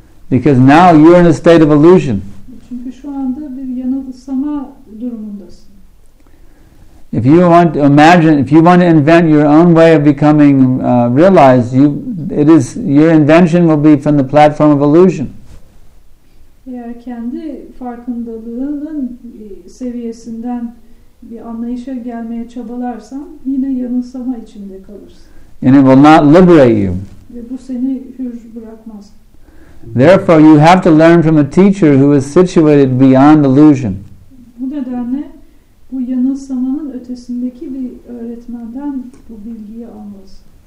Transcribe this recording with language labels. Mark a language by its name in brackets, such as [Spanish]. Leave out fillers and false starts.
[English] Because now you're in a state of illusion. [Turkish] Çünkü şu anda bir yanılsama durumundasın. [English] If you want to imagine, if you want to invent your own way of becoming realized, your invention will be from the platform of illusion. [Turkish] Eğer kendi farkındalığının seviyesinden bir anlayışa gelmeye çabalarsan yine yanılsama içinde kalırsın. [English] And it will not liberate you. [Turkish] Ve bu seni hür bırakmaz. [English] Therefore, you have to learn from a teacher who is situated beyond illusion. [Turkish] Bu nedenle bu yanılsamanın ötesindeki bir öğretmenden bu bilgiyi almaz.